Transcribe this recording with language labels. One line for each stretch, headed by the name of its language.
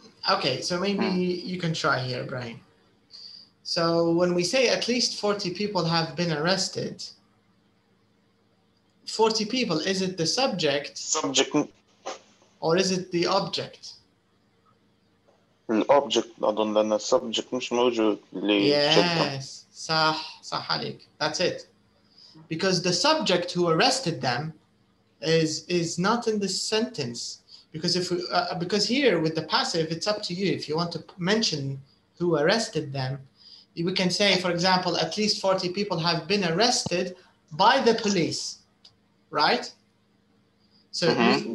English: Okay, so maybe you can try here, Brian. So when we say at least 40 people have been arrested, 40 people, is it the subject? Subject. Or is it the object?
Arabic: الأوبجكت أظن أن السبجكت مش موجود
English: لي yes.
Arabic: صح صح عليك
English: that's it because the subject who arrested them is not in the sentence because if we, because here with the passive it's up to you if you want to mention who arrested them we can say for example at least 40 people have been arrested by the police right so mm-hmm.